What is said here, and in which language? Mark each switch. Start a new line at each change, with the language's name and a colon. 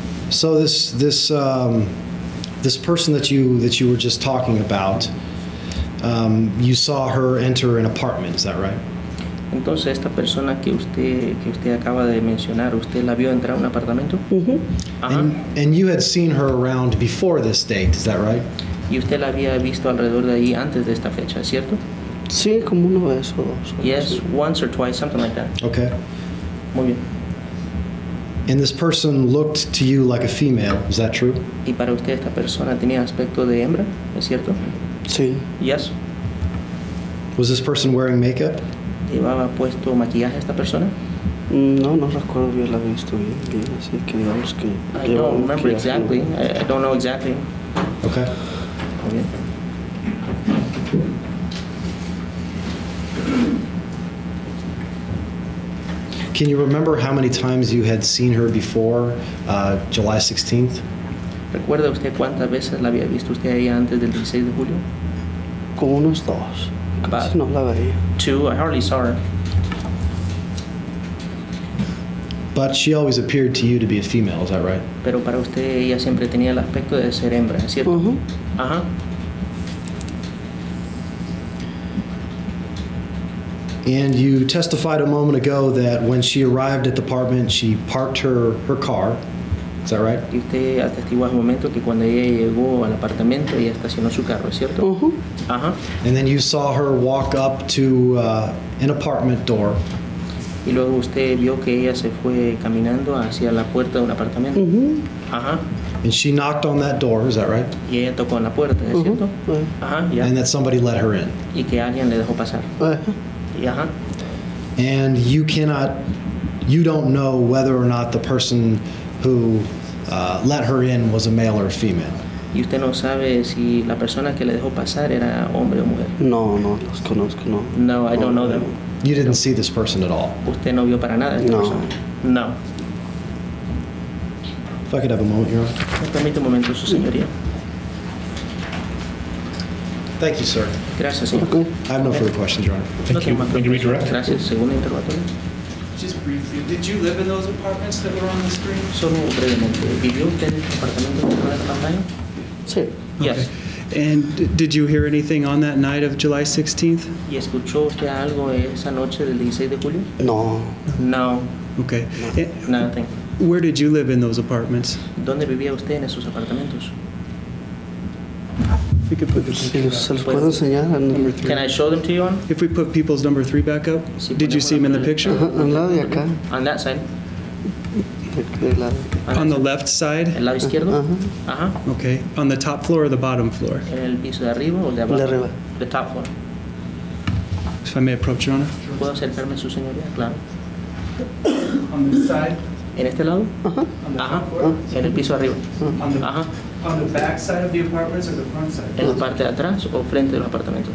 English: So this person that you were just talking about, you saw her enter an apartment. Is that right?
Spanish: Entonces esta persona que usted acaba de mencionar, usted la vio entrar a un apartamento. Mm-hmm. Uh-huh.
English: And you had seen her around before this date. Is that right?
Spanish: Y usted la había visto alrededor de ahí antes de esta fecha, ¿cierto? Sí, como una vez o dos.
English: Yes,
Spanish: sí.
English: Once or twice, something like that. Okay.
Spanish: Muy bien.
English: And this person looked to you like a female, is that true?
Spanish: Y para usted esta persona tenía aspecto de hembra, ¿es cierto? Sí.
English: Yes. Was this person wearing makeup?
Spanish: ¿Llevaba puesto maquillaje esta persona? No recuerdo bien la visto bien, así que digamos que...
English: I don't know exactly. Okay. Can you remember how many times you had seen her before July 16th?
Spanish: ¿Recuerda usted cuántas veces la había visto usted ahí antes del 16 de julio? Como unos dos.
English: About
Spanish: no la veía.
English: Two, I hardly saw her. But she always appeared to you to be a female, is that right?
Spanish: Pero para usted ella siempre tenía el aspecto de ser hembra, ¿cierto? Uh-huh. Uh-huh.
English: And you testified a moment ago that when she arrived at the apartment, she parked her car. Is that right?
Spanish: Y usted atestiguó un momento que cuando ella llegó al apartamento, ella estacionó su carro, ¿cierto? Uh-huh. Uh-huh.
English: And then you saw her walk up to an apartment door.
Spanish: Y luego usted vio que ella se fue caminando hacia la puerta de un apartamento. Uh-huh. Uh-huh.
English: And she knocked on that door, is that right?
Spanish: Y ella tocó en la puerta, ¿es cierto? Uh-huh. Uh-huh, yeah.
English: And that somebody let her in.
Spanish: Y que alguien le dejó pasar. Uh-huh.
English: Yeah. And you don't know whether or not the person who let her in was a male or a female.
Spanish: ¿Y usted no sabe si la persona que le dejó pasar era hombre o mujer? No, los conozco, no.
English: No, I don't know them. You didn't see this person at all?
Spanish: ¿Usted no vio para nada a esta persona? No.
English: If I could have a moment, Your
Spanish: Honor. Permite un momento, su señoría.
English: Thank you, sir.
Spanish: Gracias, señor.
English: Okay. I have no further questions, Your Honor. Thank you. Can you redirect?
Spanish: Gracias. Segundo interrogatorio.
English: Just briefly, did you live in those apartments that were on the screen?
Spanish: Solo brevemente. ¿Vivió usted en el apartamento que estaba en la pantalla? Sí.
English: Yes. Okay. And did you hear anything on that night of July 16th?
Spanish: ¿Y escuchó usted algo esa noche del 16 de julio? No.
English: No. Okay. No. Nothing. Where did you live in those apartments?
Spanish: ¿Dónde vivía usted en esos apartamentos?
English: If we could put the Can I show them to you on? If we put people's number three back up, si did you see him in the picture?
Spanish: Al lado de acá.
English: On that side. On the left side?
Spanish: El lado izquierdo.
English: Okay. On the top floor or the bottom floor?
Spanish: El piso de arriba o el de abajo? De arriba.
English: The top floor. If I may approach, Your Honor.
Spanish: ¿Puedo acercarme, su señoría? Claro.
English: On this side?
Spanish: ¿En este lado?
English: On the top floor?
Spanish: En el piso arriba.
English: On the back side of the apartments or the front side?
Spanish: ¿En la parte de atrás o frente de los apartamentos?